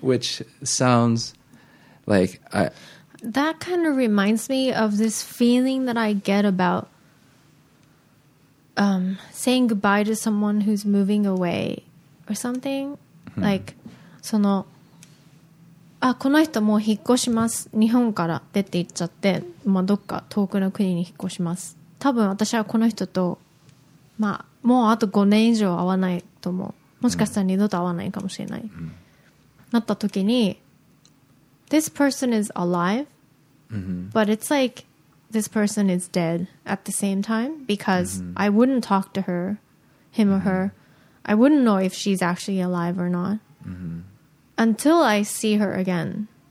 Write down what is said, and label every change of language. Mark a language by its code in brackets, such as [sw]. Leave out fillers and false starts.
[en] Which sounds like... That kind of reminds me of this feeling that I get about saying goodbye to someone who's moving away or something. [ja] Like, その、あ、この人もう引っ越します。日本から出て行っちゃって、まあどっか遠くの国に引っ越します。多分私はこの人と、まあもうあと5年以上会わないと思う。もしかしたら二度と会わないかもしれない。なった時に、 [en] This person is alive, but it's like this person is dead at the same time because I wouldn't talk to her, him or her. I wouldn't know if she's actually alive or not until I see her again.